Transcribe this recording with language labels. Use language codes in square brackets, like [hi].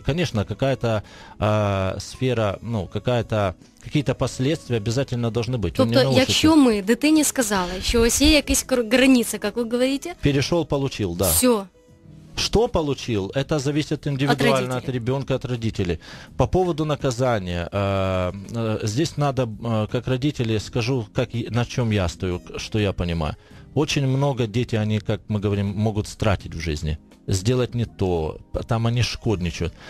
[ru] Конечно, какая-то сфера, ну, какие-то последствия обязательно должны быть. [uk] Тобто, якщо ми дитині сказали, що ось є якісь [ru] границы, как вы говорите? Перешел, получил, да. Все. Что получил, это зависит индивидуально от ребенка, от родителей. По поводу наказания, здесь надо, как родители, скажу, на чем я стою, что я понимаю. Очень много дети, они, как мы говорим, могут стратить в жизни, сделать не то, там они шкодничают.